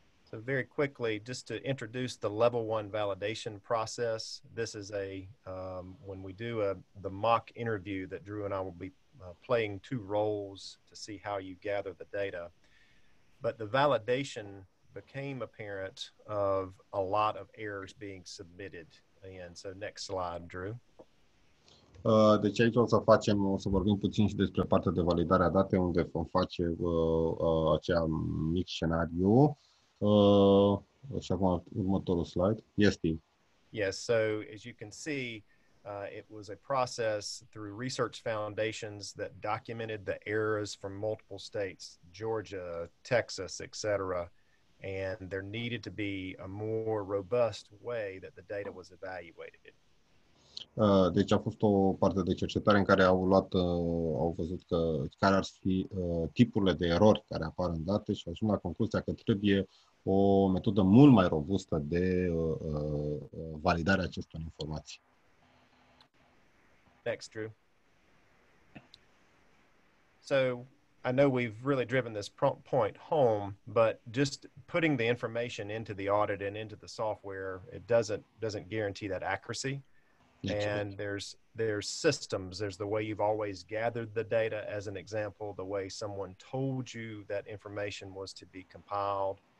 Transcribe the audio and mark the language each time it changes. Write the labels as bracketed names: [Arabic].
[English] So very quickly, just to introduce the level one validation process, this is a, when we do the mock interview that Drew and I will be playing two roles to see how you gather the data. But the validation became apparent of a lot of errors being submitted. And so next slide, Drew. [Romanian] Deci aici o să vorbim puțin și despre partea de validare a datei, unde vom face acea mic scenariu. Și acum următorul slide. Este. [English] Yes, so as you can see, it was a process through research foundations that documented the errors from multiple states, Georgia, Texas, etc. And there needed to be a more robust way that the data was evaluated. [Romanian] Deci a fost o parte de cercetare în care au luat, au văzut că care ar fi tipurile de erori care apar în date și au ajuns la concluzia că trebuie o metodă mult mai robustă de validare a acestor informații. [English] Thanks, Drew. So, I know we've really driven this point home, but just putting the information into the audit and into the software, it doesn't guarantee that accuracy. And there's systems. There's the way you've always gathered the data, as an example, the way someone told you that information was to be compiled.